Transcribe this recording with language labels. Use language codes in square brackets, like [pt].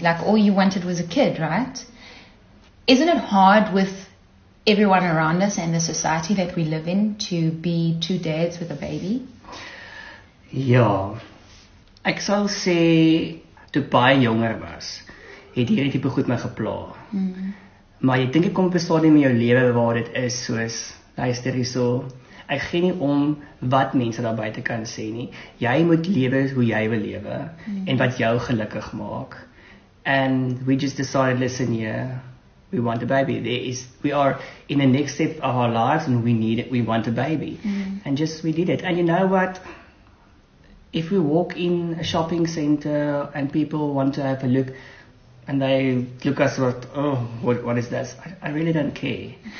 [en] Like, all you wanted was a kid, right? Isn't it hard with everyone around us and the society that we live in to be two dads with a baby? Yeah. [af] Ek sal sê, toe baie jonger was, het hierdie tipe goed my gepla. Mm-hmm. Maar jy dink ek kom op 'n stadium in jou lewe waar dit is soos, luister hierso, ek gee nie om wat mense daar buite kan sê nie. Jy moet lewe hoe jy wil lewe, mm-hmm. en wat jou gelukkig maak. [en] And we just decided, listen here, we want a baby. We are in the next step of our lives and we want a baby. Mm-hmm. And just, we did it. And you know what? If we walk in a shopping center and people want to have a look and they look at us like, what is this? I really don't care.